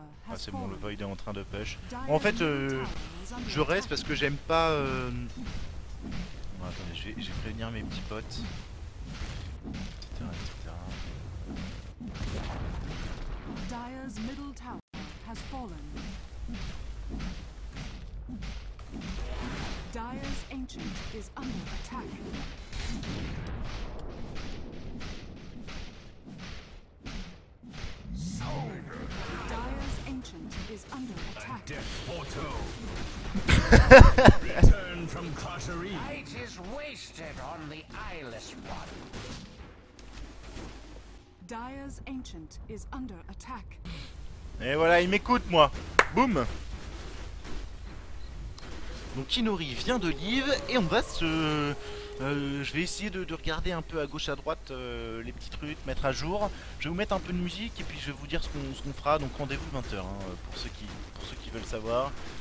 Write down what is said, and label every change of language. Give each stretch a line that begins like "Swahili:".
French: Ah, c'est bon, le Void est en train de push. Bon, en fait, je reste parce que j'aime pas... Bon, attendez, je vais prévenir mes petits potes. Etc.
English: Dire's middle tower has fallen. Dire's ancient is under attack. So Dire's ancient is under attack. Death photo. Return from Carterie. Light is wasted on the eyeless one. Dire's ancient is under attack.
French: Et voilà, il m'écoute moi. Boum. Donc Inori vient de live et on va se... je vais essayer de regarder un peu à gauche à droite les petits trucs, mettre à jour. Je vais vous mettre un peu de musique et puis je vais vous dire ce qu'on fera. Donc rendez-vous 20h hein, pour ceux qui veulent savoir.